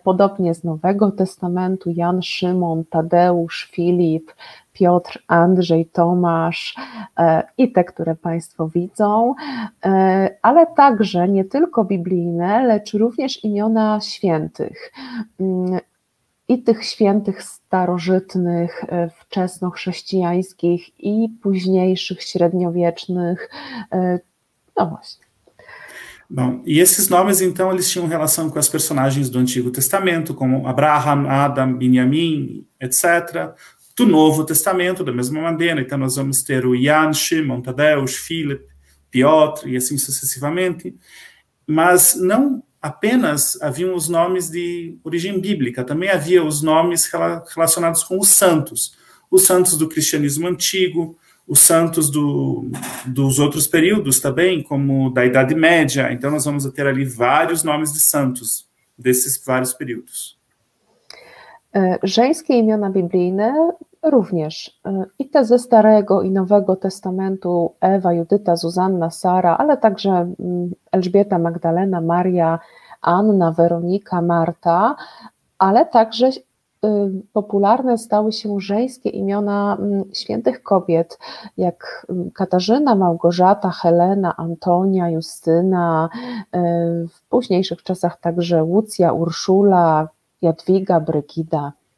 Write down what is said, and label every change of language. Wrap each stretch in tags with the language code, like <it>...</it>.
<pl>Podobnie z Nowego Testamentu Jan, Szymon, Tadeusz, Filip, Piotr, Andrzej, Tomasz i te, które Państwo widzą, ale także nie tylko biblijne, lecz również imiona świętych i tych świętych starożytnych, wczesnochrześcijańskich i późniejszych, średniowiecznych, no właśnie.</pl> <pt>Bom, e esses nomes, então, eles tinham relação com as personagens do Antigo Testamento, como Abraham, Adam, Benjamim, etc. Do Novo Testamento, da mesma maneira. Então, nós vamos ter o Jan, Shimon, Tadeusz, Filip, Piotr, e assim sucessivamente. Mas não apenas haviam os nomes de origem bíblica, também havia os nomes relacionados com os santos do cristianismo antigo, os santos dos outros períodos também, como da Idade Média. Então, nós vamos ter ali vários nomes de santos desses vários períodos.</pt> <pl>Żeńskie imiona biblijne również. I te ze Starego i Nowego Testamentu, Ewa, Judyta, Zuzanna, Sara, ale także Elżbieta, Magdalena, Maria, Anna, Weronika, Marta, ale także popularne stały się żeńskie imiona świętych kobiet, jak Katarzyna, Małgorzata, Helena, Antonia, Justyna, w późniejszych czasach także Łucja, Urszula, Jadwiga, Brygida.</pl>